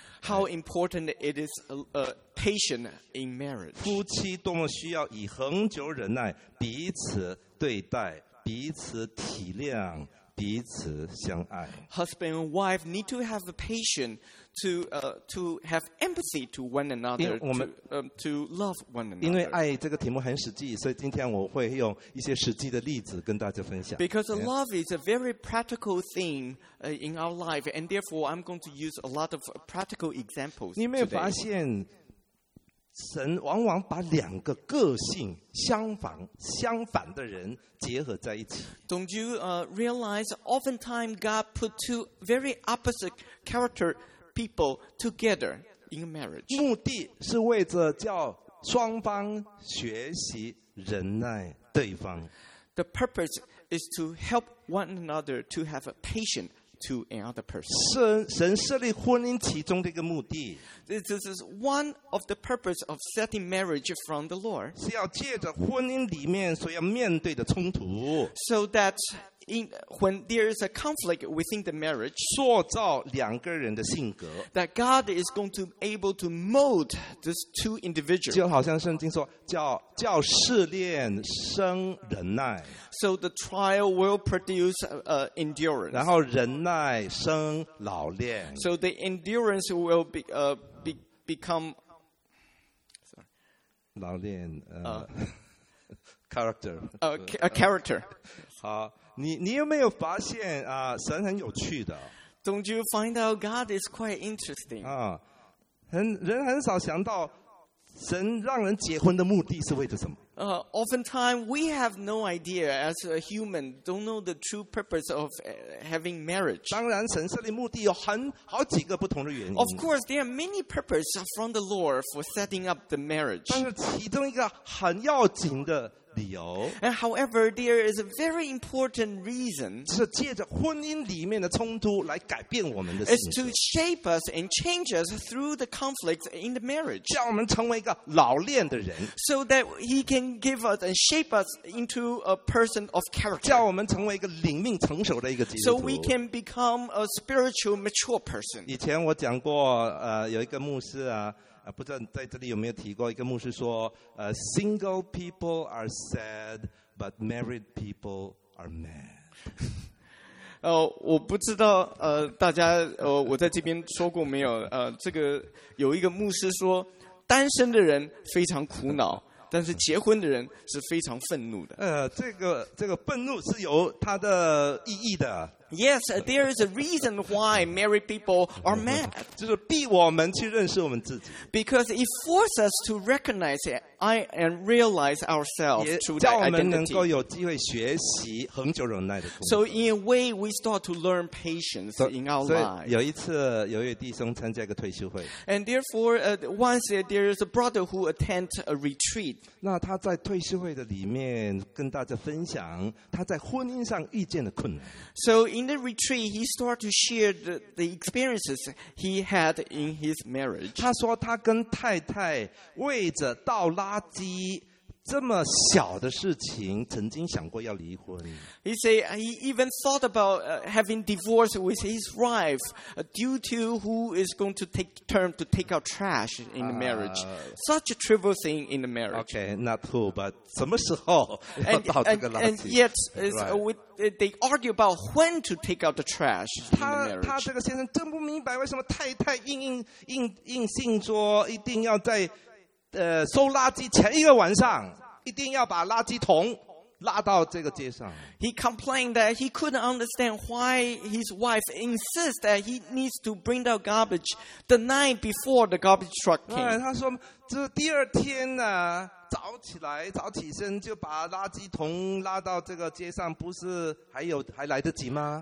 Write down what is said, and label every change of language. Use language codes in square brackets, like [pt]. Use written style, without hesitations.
[en] How important it is patient in marriage. [zh] 夫妻多么需要以恒久忍耐彼此对待，彼此体谅。彼此相爱。 [en] Husband and wife need to have the patience to have empathy to one another, [zh] 因为我们, [en] to love one another. [zh] 因为爱这个题目很实际，所以今天我会用一些实际的例子跟大家分享。 [en] Because love is a very practical thing in our life, and therefore I'm going to use a lot of practical examples. [zh] 你没有发现神往往把两个个性相反的人结合在一起。 [en] Don't you realize oftentimes God put two very opposite character people together in a marriage? [zh] 目的是为着叫双方学习忍耐对方。 [en] The purpose is to help one another to have a patient. To another person. [zh] 神设立婚姻其中的一个目的。 [en] This is one of the purpose of setting marriage from the Lord. [zh] 是要借着婚姻里面所要面对的冲突。 [en] So that when there is a conflict within the marriage, [zh] 塑造两个人的性格。 [en] That God is going to able to mold these two individuals. [zh] 就好像圣经说，叫试炼生忍耐。 [en] So the trial will produce endurance. [zh] 然后忍耐生老练。 [en] So the endurance will become [zh] 老练character. [en] A character. [zh] 好，你有没有发现啊？神很有趣的。 [en] Don't you find out God is quite interesting? [zh] 啊，人很少想到神让人结婚的目的是为了什么。 [en] Oftentimes we have no idea as a human don't know the true purpose of having marriage. [zh] 当然神设立目的有好几个不同的原因。 [en] Of course there are many purposes from the Lord for setting up the marriage. [zh] 但是其中一个很要紧的理由。 [en] And however there is a very important reason. [zh] 是借着婚姻里面的冲突来改变我们的心。 [en] Is to shape us and change us through the conflict in the marriage. [zh] 叫我们成为一个老练的人。 [en] So that he can give us and shape us into a person of character. [zh] 叫我们成为一个灵命成熟的一个基督徒。 [en] So we can become a spiritual mature person. [zh] 以前我讲过有一个牧师啊。不知道在这里有没有提过，一个牧师说 [en] single people are sad, but married people are mad. [zh] 我不知道大家我在这边说过没有，这个有一个牧师说，单身的人非常苦恼，但是结婚的人是非常愤怒的。这个愤怒是有它的意义的。 [en] Yes, there is a reason why married people are mad. [zh] 就是逼我们去认识我们自己。 [en] Because it forces us to recognize it and realize ourselves through that identity. [zh] 叫我们能够有机会学习恒久忍耐的功夫。 [en] So in a way, we start to learn patience in our lives. [zh] 有一次，有一位弟兄参加一个退休会。 [en] And therefore, once there is a brother who attend a retreat. [zh] 那他在退休会的里面跟大家分享他在婚姻上遇见的困难。 [en] So in the retreat, he started to share the experiences he had in his marriage. [zh] 他说他跟太太为着倒垃圾这么小的事情曾经想过要离婚。 [en] He said he even thought about having divorce with his wife due to who is going to take turn to take out trash in the marriage. Such a trivial thing in the marriage. Okay, not true, but [zh] 什么时候要倒这个垃圾？ [en] And yet, they argue about when to take out the trash in the marriage. [zh] 他这个先生真不明白为什么太太硬性说一定要在收垃圾前一个晚上一定要把垃圾桶拉到这个街上。 [en] He complained that he couldn't understand why his wife insists that he needs to bring out garbage the night before the garbage truck came. [zh] 他说这第二天呢，早起身就把垃圾桶拉到这个街上，不是还来得及吗？